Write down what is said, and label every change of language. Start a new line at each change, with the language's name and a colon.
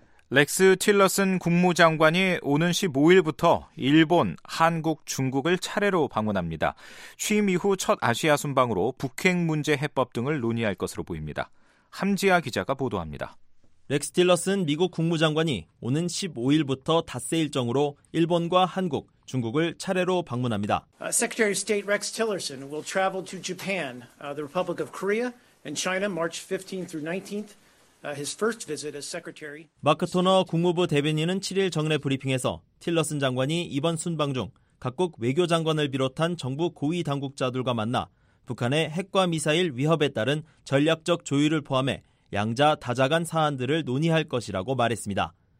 Korean: 렉스 틸러슨 국무장관이 오는 15일부터 일본, 한국, 중국을 차례로 방문합니다. 취임 이후 첫 아시아 순방으로 북핵 문제 해법 등을 논의할 것으로 보입니다. 함지아 기자가 보도합니다. 렉스 틸러슨 미국 국무장관이 오는 15일부터 닷새 일정으로 일본과 한국, 중국을 차례로 방문합니다.
English: Secretary of State Rex Tillerson will travel to Japan, the Republic of Korea and China March 15th through 19th. His first visit as secretary.
Korean: 마크 토너 국무부 대변인은 7일 정례 브리핑에서 틸러슨 장관이 이번 순방 중 각국 외교 장관을 비롯한 정부 고위 당국자들과 만나 북한의 핵과 미사일 위협에 따른 전략적 조율을 포함해 양자 다자 간 사안들을 논의할 것이라고 말했습니다.